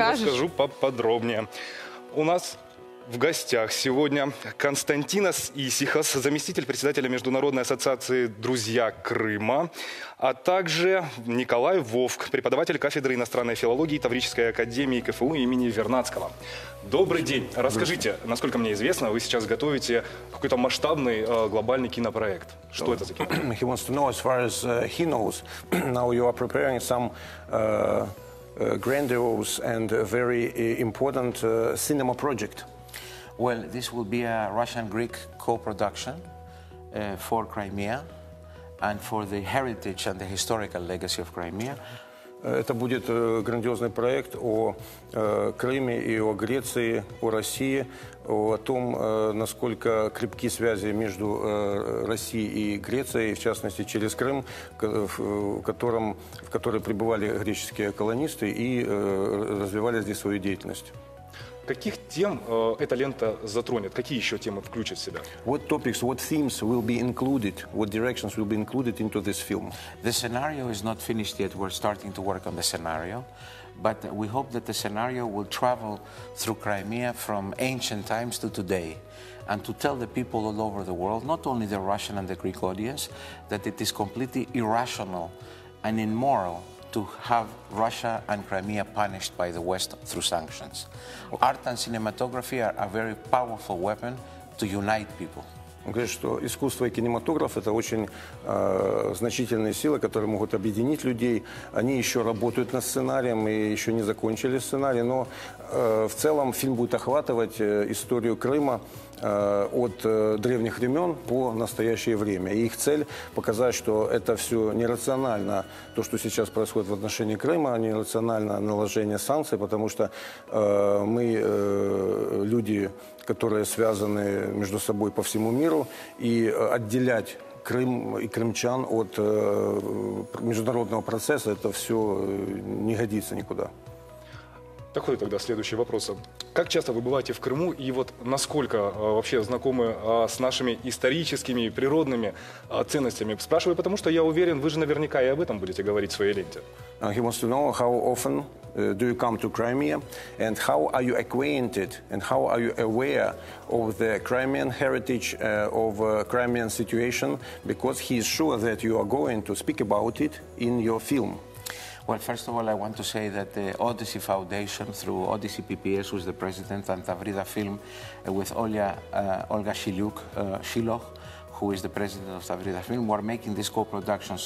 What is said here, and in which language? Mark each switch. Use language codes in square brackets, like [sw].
[ru] Обо всем расскажу поподробнее. У нас в гостях сегодня Константинос Исихас, заместитель председателя Международной ассоциации «Друзья Крыма», а также Николай Вовк, преподаватель кафедры иностранной филологии Таврической академии КФУ имени Вернадского. Добрый день. Расскажите, насколько мне известно, вы сейчас готовите какой-то масштабный глобальный кинопроект. Что это за кинопроект? [en] He wants to know as far as he knows. Now you are preparing some grandiose and very important cinema project. Well, this will be a Russian-Greek co-production for Crimea and for the heritage and the historical legacy of Crimea. [ru] Это будет грандиозный проект о Крыме и о Греции, о России, о том, насколько крепки связи между Россией и Грецией, в частности, через Крым, в который прибывали греческие колонисты и развивали здесь свою деятельность. Каких тем эта лента затронет? Какие еще темы включит в себя? [en] What topics, what themes will be included? What directions will be included into this film? The scenario is not finished yet. We're starting to work on the scenario. But we hope that the scenario will travel through Crimea from ancient times to today. And to tell the people all over the world, not only the Russian and the Greek audience, that it is completely irrational and immoral to have Russia and Crimea punished by the West through sanctions. Art and cinematography are a very powerful weapon to unite people. [ru] Он говорит, что искусство и кинематограф – это очень значительные силы, которые могут объединить людей. Они еще работают над сценарием и еще не закончили сценарий. Но в целом фильм будет охватывать историю Крыма от древних времен по настоящее время. И их цель – показать, что это все нерационально, то, что сейчас происходит в отношении Крыма, а нерационально наложение санкций, потому что мы люди, которые связаны между собой по всему миру, и отделять Крым и крымчан от международного процесса, это все не годится никуда. Так вот, тогда следующий вопрос. Как часто вы бываете в Крыму и вот насколько вообще знакомы с нашими историческими, природными ценностями? Спрашиваю, потому что я уверен, вы же наверняка и об этом будете говорить в своей ленте. [en] He wants to know how often do you come to Crimea and how are you acquainted and how are you aware of the Crimean heritage, of Crimean situation, because he is sure that you are going to speak about it in your film. Well, first of all, I want to say that the Odyssey Foundation, through Odyssey PPS, who is the president, and Tavrida Film, with Olga Shiluk, Shiloh, who is the president of Tavrida Film, we're making this co-production.